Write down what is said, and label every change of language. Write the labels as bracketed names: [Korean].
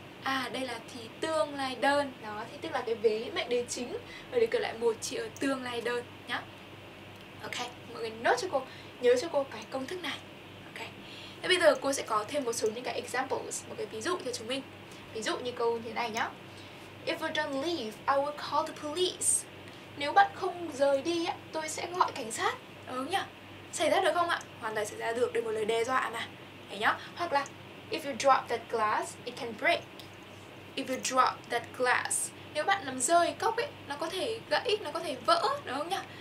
[Vietnamese] À, đây là thì tương lai đơn. Đó, thì tức là cái vế mệnh đề chính ở điều kiện loại 1 chia ở tương lai đơn nhá. Ok, mọi người note cho cô, nhớ cho cô cái công thức này. Ok, thế bây giờ cô sẽ có thêm một số những cái examples, một cái ví dụ cho chúng mình. Ví dụ như câu như thế này nhá. [English] If you don't leave, I will call the police. [Vietnamese] Nếu bạn không rời đi, tôi sẽ gọi cảnh sát. Đúng nhỉ? Xảy ra được không ạ? Hoàn toàn xảy ra được, đây một lời đe dọa mà. Thấy nhá. Hoặc là [English] if you drop that glass, it can break. If you drop that glass, [Vietnamese] nếu bạn làm rơi cốc ấy, nó có thể gãy, nó có thể vỡ, đúng không nhỉ?